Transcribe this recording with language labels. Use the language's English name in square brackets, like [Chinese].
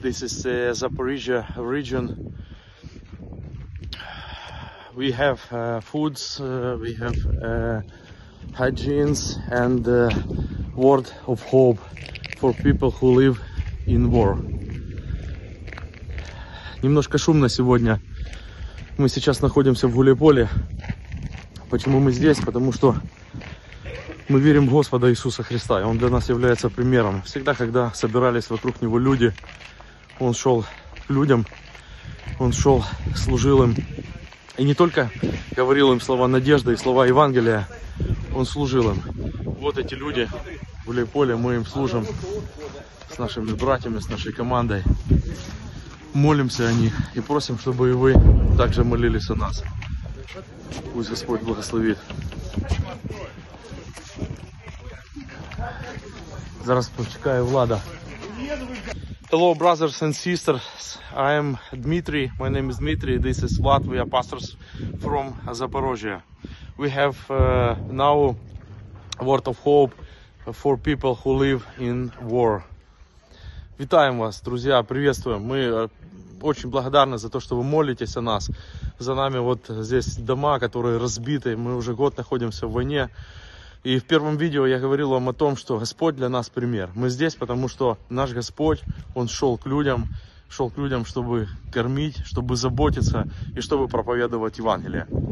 [English] This is the Zaporizhia region. We have foods, we have hygienes and word of hope for people who live in war. [Russian] Немножко шумно сегодня. Мы сейчас находимся в Гуляйполе. Почему мы здесь? Потому что мы верим в Господа Иисуса Христа, и Он для нас является примером. Всегда, когда собирались вокруг Него люди, Он шел к людям, Он шел, служил им. И не только говорил им слова надежды и слова Евангелия, Он служил им. Вот эти люди в Гуляйполе, мы им служим с нашими братьями, с нашей командой. Молимся о них и просим, чтобы и вы также молились о нас. Пусть Господь благословит. [Ukrainian] Зараз почекаю Влада. [English] Hello, brothers and sisters. I am Dmitry. My name is Dmitry. This is Vlad. We are pastors from Zaporozhye. We have now a word of hope for people who live in war. [Ukrainian] Витаем вас, [Russian] друзья, приветствуем. Мы очень благодарны за то, что вы молитесь о нас. За нами вот здесь дома, которые разбиты. Мы уже год находимся в войне. И в первом видео я говорил вам о том, что Господь для нас пример. Мы здесь, потому что наш Господь, Он шел к людям, чтобы кормить, чтобы заботиться и чтобы проповедовать Евангелие.